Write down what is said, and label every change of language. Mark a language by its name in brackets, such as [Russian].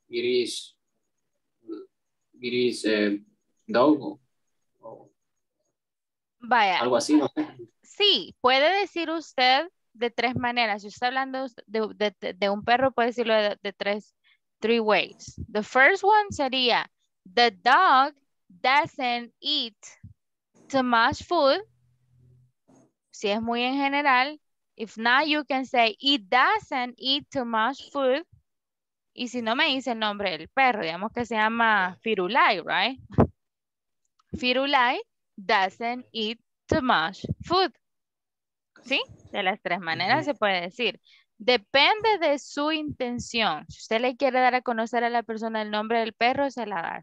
[English] It is dog. [Spanish] Vaya. Algo así, ¿no? Sí, puede decir usted de tres maneras. Si usted está hablando de un perro, puede decirlo de [English] three ways. The first one sería, the dog doesn't eat too much food. [Spanish] Si es muy en general, [English] if not, you can say, it doesn't eat too much food. [Spanish] Y si no me dice el nombre del perro, digamos que se llama Firulai, right? [English] Firulai doesn't eat too much food. ¿Sí? [Spanish] De las tres maneras se puede decir. Depende de su intención. Si usted le quiere dar a conocer a la persona el nombre del perro, se la da.